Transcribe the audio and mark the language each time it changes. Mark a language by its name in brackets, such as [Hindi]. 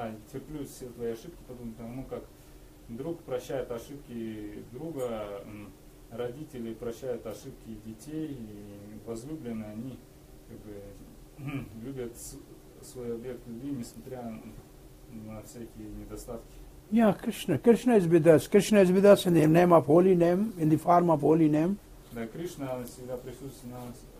[Russian] терплю все твои ошибки подобно тому, как друг прощает ошибки друга, родители прощают ошибки детей, и возлюбленные они как бы любят свой объект любви, несмотря на всякие недостатки. [English] Yeah, Krishna. Krishna is with us. Krishna is with us in the name of holy name, in the form of holy name. [Russian] Да, Кришна всегда присутствует на нас.